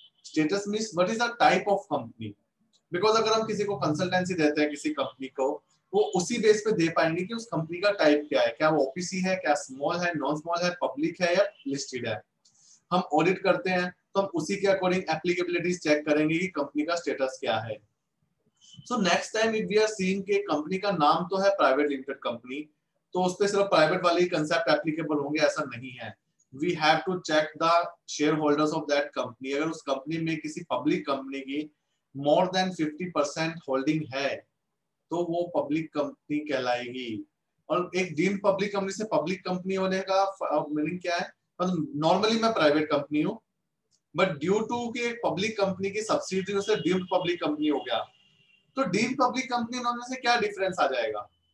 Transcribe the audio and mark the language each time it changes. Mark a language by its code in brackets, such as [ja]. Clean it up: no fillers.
[en] status means what is the type of company, [hi] because अगर हम किसी को कंसल्टेंसी देते हैं किसी कंपनी को, वो उसी बेस पे दे पाएंगे कि उस कंपनी का टाइप क्या है, क्या वो ओपीसी है, क्या स्मॉल है, नॉन स्मॉल है, पब्लिक है या लिस्टेड है। हम ऑडिट करते हैं तो हम उसी के अकॉर्डिंग एप्लीकेबिलिटीज चेक करेंगे कि कंपनी का स्टेटस क्या है। [en] so next time if we are seeing [hi] कि कंपनी का नाम तो है प्राइवेट लिमिटेड कंपनी, तो उस पे सिर्फ प्राइवेट वाले ही कंसेप्ट एप्लीकेबल होंगे, ऐसा नहीं है। [en] We have to check the shareholders of that company. [hi] अगर उस कंपनी में किसी पब्लिक कंपनी की मोर देन 50% होल्डिंग है तो वो पब्लिक कंपनी कहलाएगी। और एक डीम्ड पब्लिक कंपनी से पब्लिक कंपनी होने का मीनिंग क्या है? मतलब नॉर्मली मैं प्राइवेट कंपनी हूँ बट ड्यू टू की एक पब्लिक कंपनी की सब्सिडरी से डीम्ड पब्लिक कंपनी हो गया, तो डीम्ड पब्लिक कंपनी होने से क्या डिफरेंस आ जाएगा?